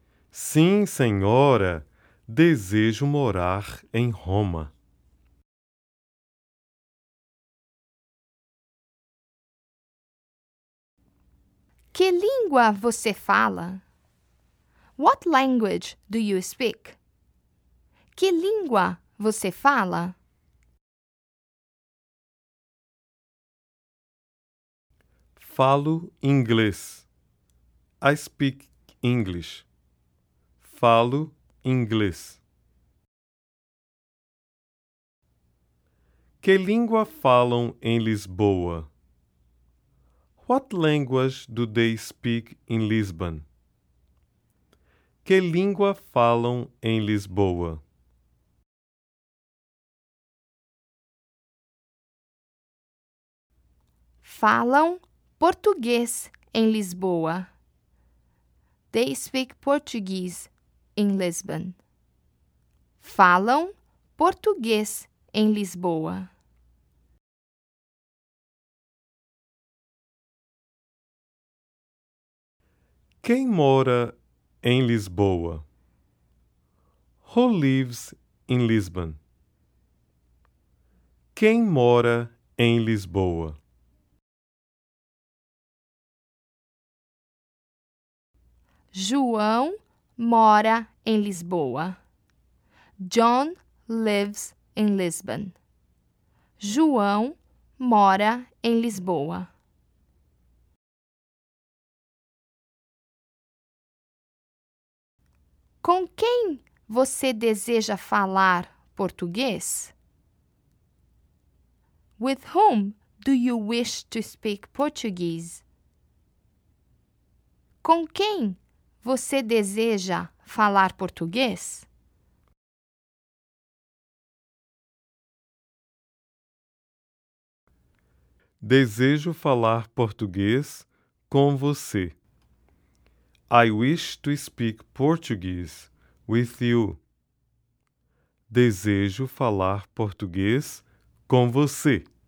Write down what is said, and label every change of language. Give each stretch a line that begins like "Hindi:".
Portuguese: Sim, senhora, desejo morar em Roma. Que língua você fala?
English: What language do you speak?
Portuguese: Que língua você fala? Falo inglês.
English: I speak English.
Portuguese: Falo inglês. Que língua falam em Lisboa?
English: What language do they speak in Lisbon?
Portuguese: Que língua falam em Lisboa? Falam português em Lisboa.
English: They speak Portuguese in Lisbon.
Portuguese: Falam português em Lisboa. Quem mora em Lisboa?
English: Who lives in Lisbon?
Portuguese: Quem mora em Lisboa? João mora em Lisboa.
English: John lives in Lisbon.
Portuguese: João mora em Lisboa. Com quem você deseja falar português?
English: With whom do you wish to speak Portuguese?
Portuguese: Com quem você deseja falar português? Desejo falar português com você.
English: I wish to speak Portuguese with you.
Portuguese: Desejo falar português com você.